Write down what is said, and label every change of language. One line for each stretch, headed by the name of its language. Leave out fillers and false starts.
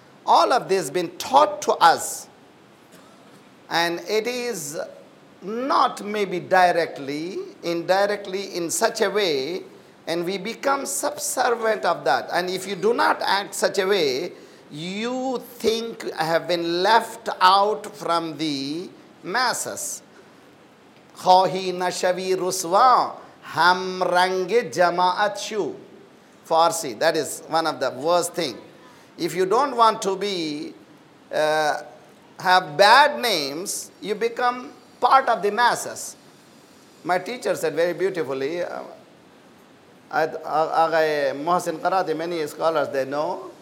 English: All of this been taught to us. And it is not maybe directly, indirectly, in such a way. And we become subservient of that. And if you do not act such a way, you think I have been left out from the masses.
Persian: خواهی نشوی رسوا هم رنگ جماعت شو.
English: Farsi, that is one of the worst thing. If you don't want to be have bad names, you become part of the masses. My teacher said very beautifully, Agai Mohsin Qarati, many scholars they know.